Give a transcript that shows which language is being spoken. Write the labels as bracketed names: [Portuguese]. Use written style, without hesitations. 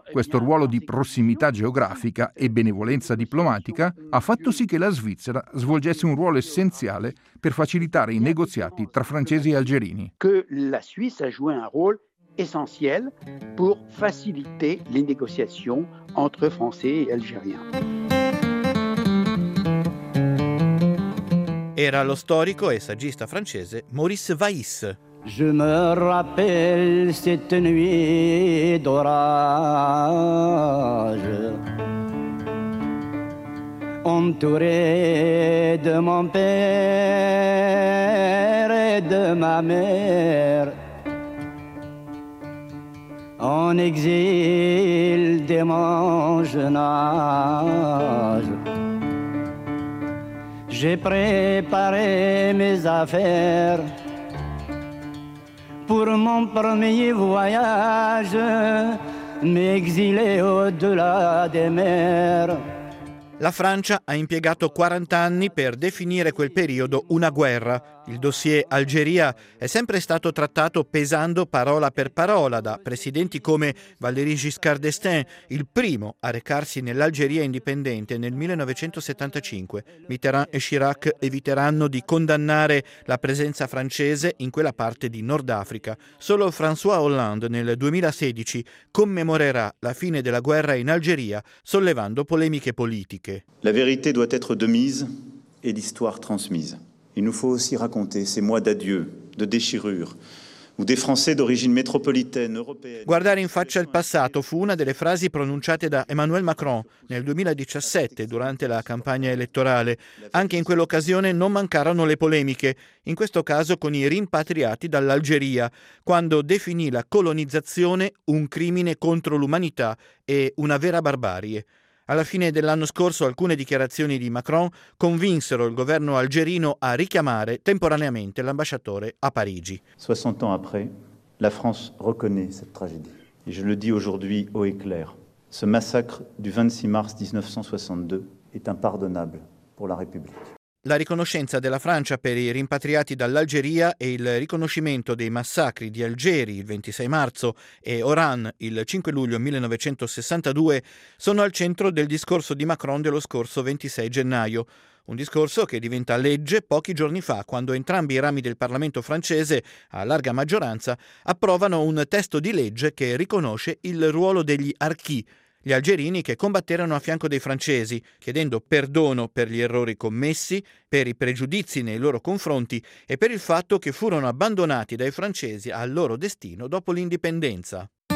[Italian] Questo ruolo di prossimità geografica e benevolenza diplomatica ha fatto sì che la Svizzera svolgesse un ruolo essenziale per facilitare i negoziati tra francesi e algerini. Che la Suisse ha [French] joué [Italian] un ruolo essenziale per facilitare le negoziazioni tra francesi e algerini. Era lo storico e saggista francese Maurice Vaïs. [French] Je me rappelle cette nuit d'orage. Entouré de mon père et de ma mère, en exil dès mon jeune âge, j'ai préparé mes affaires pour mon premier voyage, m'exiler au-delà des mers. [Italian] La Francia ha impiegato 40 anni per definire quel periodo una guerra. Il dossier Algeria è sempre stato trattato pesando parola per parola da presidenti come Valéry Giscard d'Estaing, il primo a recarsi nell'Algeria indipendente nel 1975. Mitterrand e Chirac eviteranno di condannare la presenza francese in quella parte di Nord Africa. Solo François Hollande nel 2016 commemorerà la fine della guerra in Algeria, sollevando polemiche politiche. [French] La vérité doit être de mise et l'histoire transmise. Il nous faut aussi raconter ces mois d'adieu, de déchirure, où des Français d'origine métropolitaine, européenne. [Italian] Guardare in faccia il passato fu una delle frasi pronunciate da Emmanuel Macron nel 2017 durante la campagna elettorale. Anche in quell'occasione non mancarono le polemiche, in questo caso con i rimpatriati dall'Algeria, quando definì la colonizzazione un crimine contro l'umanità e una vera barbarie. Alla fine dell'anno scorso alcune dichiarazioni di Macron convinsero il governo algerino a richiamare temporaneamente l'ambasciatore a Parigi. [French] 60 ans après, la France reconnaît cette tragédie. Et je le dis aujourd'hui haut et clair. Ce massacre du 26 mars 1962 est impardonnable pour la République. [Italian] La riconoscenza della Francia per i rimpatriati dall'Algeria e il riconoscimento dei massacri di Algeri il 26 marzo e Oran il 5 luglio 1962 sono al centro del discorso di Macron dello scorso 26 gennaio. Un discorso che diventa legge pochi giorni fa, quando entrambi i rami del Parlamento francese, a larga maggioranza, approvano un testo di legge che riconosce il ruolo degli archi, gli algerini che combatterono a fianco dei francesi, chiedendo perdono per gli errori commessi, per i pregiudizi nei loro confronti e per il fatto che furono abbandonati dai francesi al loro destino dopo l'indipendenza.